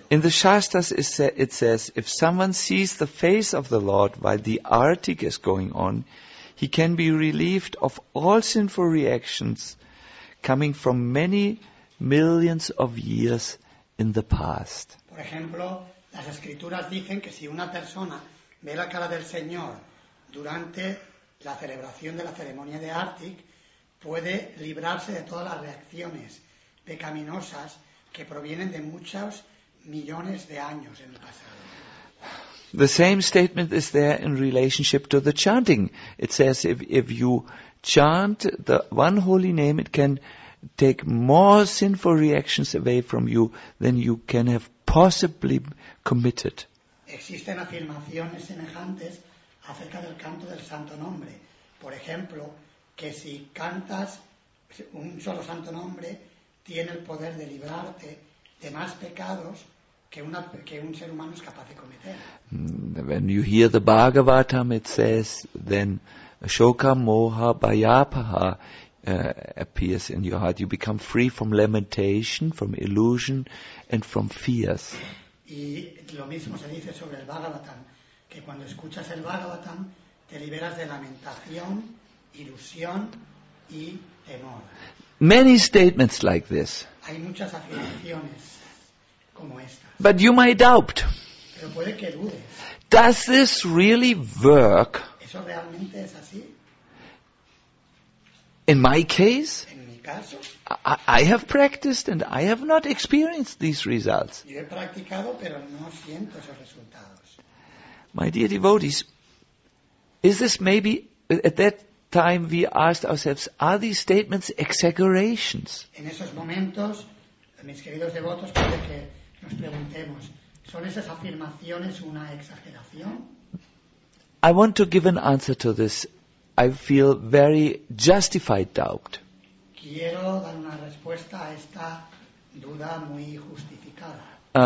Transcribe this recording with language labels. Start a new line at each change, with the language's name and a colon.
English: In the Shastras it says, if someone sees the face of the Lord while the Aartik is going on, he can be relieved of all sinful reactions coming from many millions of years in the past.
Spanish: Por ejemplo, las escrituras dicen que si una persona ve la cara del Señor durante la celebración de la ceremonia de Aartik, puede librarse de todas las reacciones pecaminosas que provienen de muchos millones de años en el pasado.
English: The same statement is there in relationship to the chanting. It says if you chant the one holy name, it can take more sinful reactions away from you than you can have possibly committed.
Spanish: Existen afirmaciones semejantes acerca del canto del santo nombre. Por ejemplo, que si cantas un solo santo nombre, tiene el poder de librarte de más pecados que un ser humano es capaz de cometer.
English: When you hear the Bhagavatam, it says, then
Sanskrit: Shoka Moha Bhayapaha
English: appears in your heart. You become free from lamentation, from illusion, and from fears.
Spanish: Y lo mismo se dice sobre el Bhagavatam, que cuando escuchas el Bhagavatam te liberas de lamentación, ilusión y temor.
English: Many statements like this.
Spanish: Hay muchas afirmaciones como estas.
English: But you might doubt.
Spanish: Pero puede que dudes.
English: Does this really work?
Spanish: ¿Eso realmente es así?
English: In my case?
Spanish: En mi caso?
English: I have practiced and I have not experienced these results.
Spanish: Yo he practicado pero no siento esos resultados.
English: My dear devotees, is this maybe, at that time we asked ourselves, are these statements exaggerations?
Spanish: En esos momentos, mis queridos devotos, puede que nos preguntemos, ¿son esas afirmaciones una exageración?
English: I want to give an answer to this. I feel very justified doubt.
Spanish: Quiero dar una respuesta a esta duda muy justificada.